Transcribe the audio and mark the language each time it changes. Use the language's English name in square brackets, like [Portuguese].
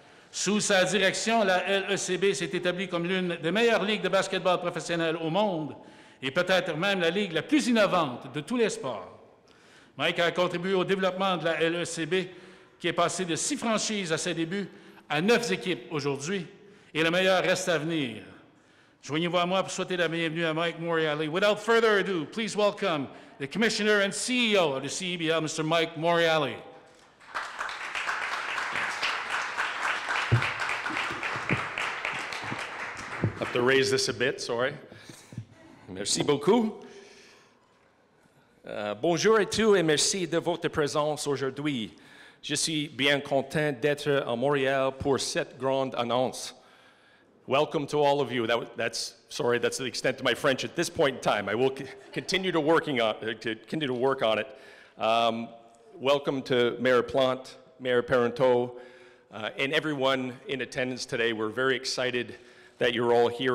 [French] Sous sa direction, la LECB s'est établie comme l'une des meilleures ligues de basketball professionnel au monde et peut-être même la ligue la plus innovante de tous les sports. Mike a contribué au développement de la LECB, qui est passée de 6 franchises à ses débuts à 9 équipes aujourd'hui, et le meilleur reste à venir. Joignez-vous à moi pour souhaiter la bienvenue à Mike Morreale. [English] Without further ado, please welcome the Commissioner and CEO of the CEBL, Mr. Mike Morreale. I have to raise this a bit, sorry. [French] Merci beaucoup. Bonjour à tous et merci de votre présence aujourd'hui. Je suis bien content d'être à Montréal pour cette grande annonce. [English] Welcome to all of you. That's the extent of my French at this point in time. I will continue to work on it. Welcome to Mayor Plante, Mayor Parenteau, and everyone in attendance today. We're very excited that you're all here.